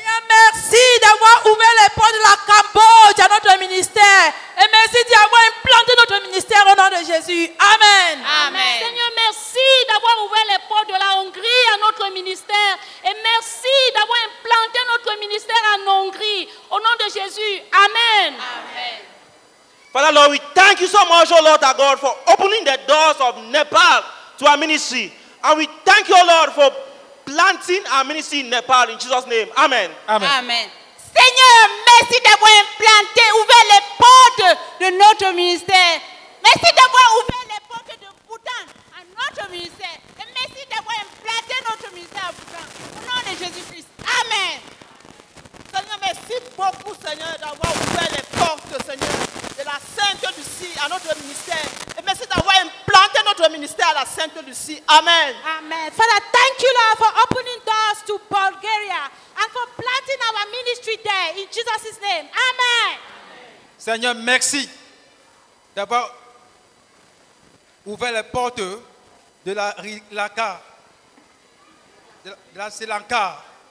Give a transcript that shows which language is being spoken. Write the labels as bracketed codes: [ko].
[fr] Merci d'avoir ouvert les portes de la Cambodge à notre ministère. Et merci d'avoir implanté notre ministère au nom de Jésus. Amen. Amen. Amen. Seigneur, merci d'avoir ouvert les portes de la Hongrie à notre ministère. Et merci d'avoir implanté notre ministère en Hongrie au nom de Jésus. Amen. Amen. [en] Father Lord, we thank you so much, O Lord our God, for opening the doors of Nepal to our ministry. And we thank you, O Lord, for planting our ministry in Nepal in Jesus' name. Amen. Amen. Amen. [fr] Seigneur, merci d'avoir implanté, ouvert les portes de notre ministère. Merci d'avoir ouvert les portes de Bhoutan à notre ministère. Et merci d'avoir implanté notre ministère à Bhoutan. Au nom de Jésus-Christ. Amen. Seigneur, merci beaucoup, Seigneur, d'avoir ouvert les portes, Seigneur, de la Sainte-Lucie à notre ministère. Et merci d'avoir implanté notre ministère à la Sainte-Lucie. Amen. Amen. [en] Father, thank you, Lord, for opening doors to Bulgaria and for planting our ministry there in Jesus' name. Amen. Amen. [fr] Seigneur, merci d'avoir ouvert les portes de la Lanka, de la Sri Lanka.